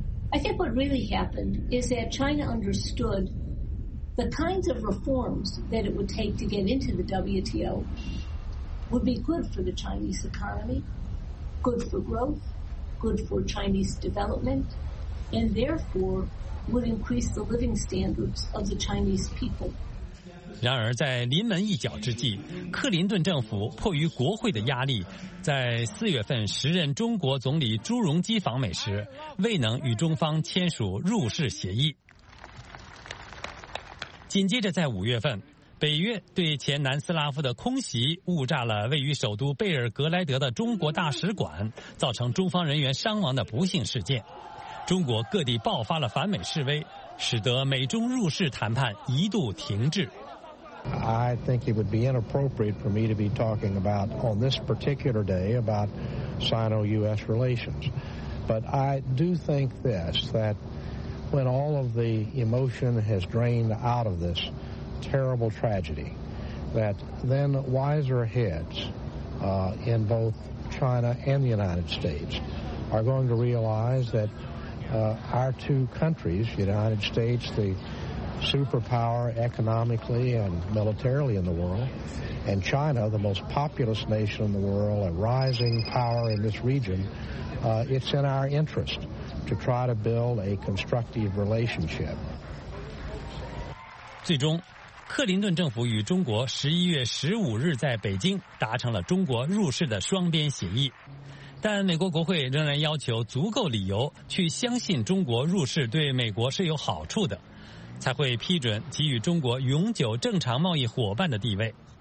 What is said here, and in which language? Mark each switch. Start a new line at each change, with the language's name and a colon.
English: I think what really happened is that China understood the kinds of reforms that it would take to get into the WTO would be good for the Chinese economy, good for growth, good for Chinese development, and therefore would increase the living standards of the Chinese people.
Chinese: 然而在临门一脚之际，克林顿政府迫于国会的压力，在4月份时任中国总理朱镕基访美时未能与中方签署入世协议。紧接着在5月份，北约对前南斯拉夫的空袭误炸了位于首都贝尔格莱德的中国大使馆，造成中方人员伤亡的不幸事件。中国各地爆发了反美示威，使得美中入世谈判一度停滞。
English: I think it would be inappropriate for me to be talking about on this particular day about Sino-U.S. relations. But I do think this, that when all of the emotion has drained out of this terrible tragedy, that then wiser heads in both China and the United States are going to realize that our two countries, the United States, the superpower economically and militarily in the world, and China, the most populous nation in the world, a rising power in this region, it's in our interest to try to build a constructive relationship.
Chinese: 最终，克林顿政府与中国11月15日在北京达成了中国入世的双边协议，但美国国会仍然要求足够理由去相信中国入世对美国是有好处的，才会批准给予中国永久正常贸易伙伴的地位。